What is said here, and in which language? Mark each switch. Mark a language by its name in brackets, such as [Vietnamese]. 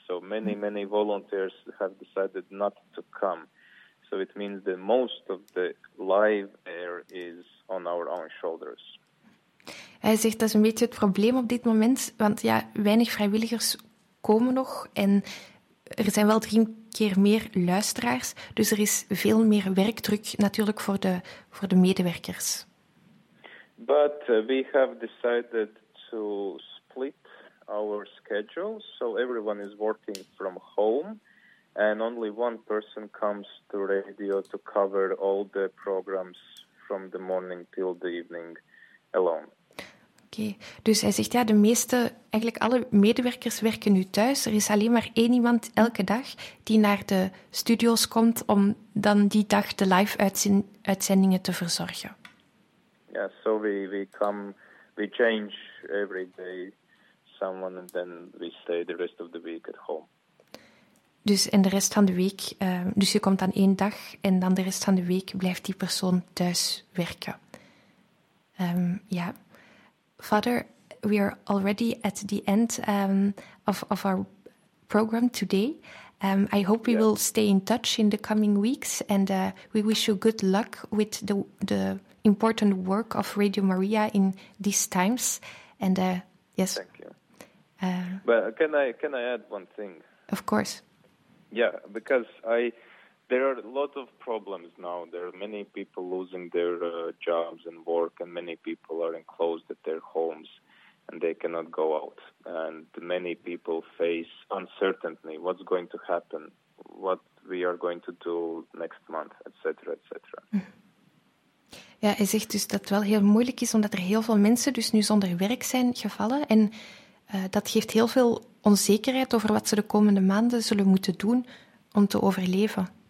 [English] So many volunteers have decided not to come. So it means that most of the live air is on our own shoulders. [Dutch] Hij zegt dat is een beetje het probleem op dit moment, want weinig vrijwilligers komen nog en er zijn wel 3 keer meer luisteraars, dus er is veel meer werkdruk natuurlijk voor de medewerkers. [English] But we have decided to split our schedule, so everyone is working from home and only one person comes to radio to cover all the programs from the morning till the evening alone. Okay. [Dutch] Dus hij zegt, de meeste, eigenlijk alle medewerkers werken nu thuis. Er is alleen maar 1 iemand elke dag die naar de studio's komt om dan die dag de live uitzendingen te verzorgen. [English] Ja, so we change every day someone and then we stay the rest of the week at home. [Dutch] Dus in de rest van de week, dus je komt dan 1 dag en dan de rest van de week blijft die persoon thuis werken. [English] Father, we are already at the end of our program today. I hope we will stay in touch in the coming weeks, and we wish you good luck with the important work of Radio Maria in these times. And yes, thank you. Can I add one thing? Of course. Yeah, because there are a lot of problems now. There are many people losing their jobs and work, and many people are enclosed at their homes and they cannot go out. And many people face uncertainty. What's going to happen? What we are going to do next month, etc., etc. [Dutch] Ja, hij zegt dus dat het wel heel moeilijk is, omdat er heel veel mensen dus nu zonder werk zijn gevallen. En dat geeft heel veel onzekerheid over wat ze de komende maanden zullen moeten doen om te overleven.